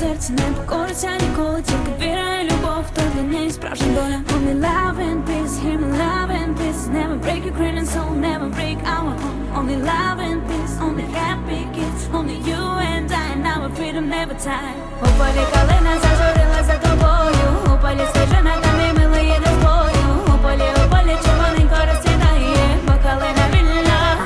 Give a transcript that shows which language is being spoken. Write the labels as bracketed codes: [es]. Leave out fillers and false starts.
[uk] Не покориться ніколи, тільки віра і любов, то для неї справжня доля. [en] Only love and peace, hear me love and peace, never break your Ukrainian soul, never break our home. Only love and peace, only happy kids, only you and I, and our freedom never tied. [uk] У полі калина зажурила за тобою, у полі свіжена та мій милий іде з бою. У полі червоненько розсвітає, бо калина вільна.